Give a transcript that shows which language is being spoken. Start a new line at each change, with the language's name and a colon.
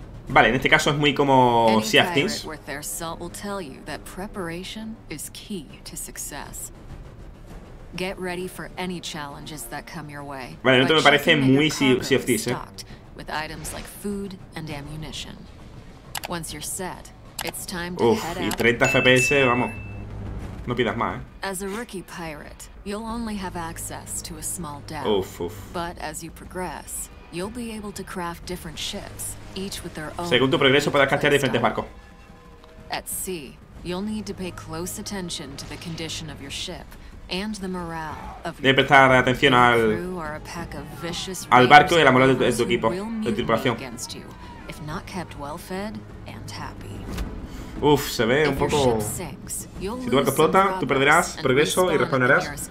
Spanish: Vale, en este caso es muy como Sea of Thieves.
English: Any pirate worth their salt will tell you that preparation is key to success. Get ready for any challenges that come your way.
Spanish: Vale, no te me parece muy Sea of Thieves,
English: with items like food and ammunition. Once you're set, it's time to head out.
Spanish: Y 30 FPS, vamos. No pidas más, ¿eh?
English: As a rookie pirate, you'll only have access to a small deck. But as you progress, you'll be able to craft different ships, each with their own.
Spanish: Según tu progreso puedes castear diferentes barcos.
English: At sea, you'll need to pay close attention to the condition of your ship and the morale of your crew.
Spanish: Debes prestar atención al barco y la moral de tu equipo, de tripulación.
English: If not kept well fed and happy.
Spanish: Uf, se ve un poco. Si tu barco explota, tú perderás progreso y respawnarás.